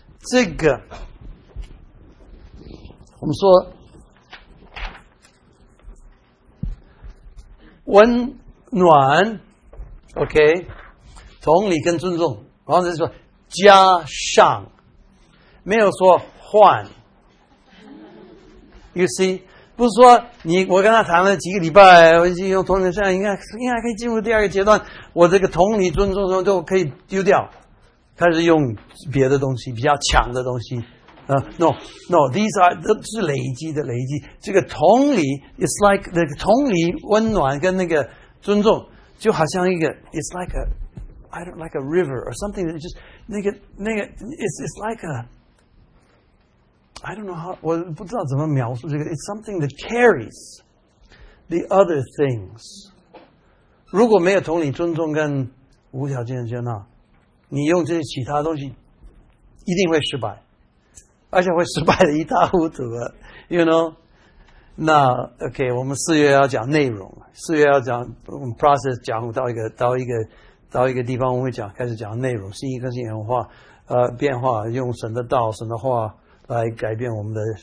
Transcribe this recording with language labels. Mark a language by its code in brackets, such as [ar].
[zh] 这个我们说温暖 ，OK， 同理跟尊重，然后就是说加上，没有说换。 [en] You see。 [zh] 不是说我跟他谈了几个礼拜，我已经用同理现在应该可以进入第二个阶段，我这个同理尊重都可以丢掉，开始用别的东西，比较强的东西。 [en] No, these are [zh] 是累积。 这个同理 ， [en] it's like [zh] 那个同理温暖跟那个尊重，就好像一个 ， [en] it's like a I don't like a river or something， [zh] 就是那个 [en] it's like a。 I don't know how， [zh] 我不知道怎么描述这个。 [en] It's something that carries the other things。 [zh] 如果没有同理、尊重跟无条件的接纳，你用这些其他东西一定会失败，而且会失败的一塌糊涂。 [en] You know？ [zh] 那 OK， 我们四月要讲内容，四月要讲我们 process 讲到一个地方，我们会讲开始讲内容，新一个性文化变化，用神的道、神的话。来改变我们的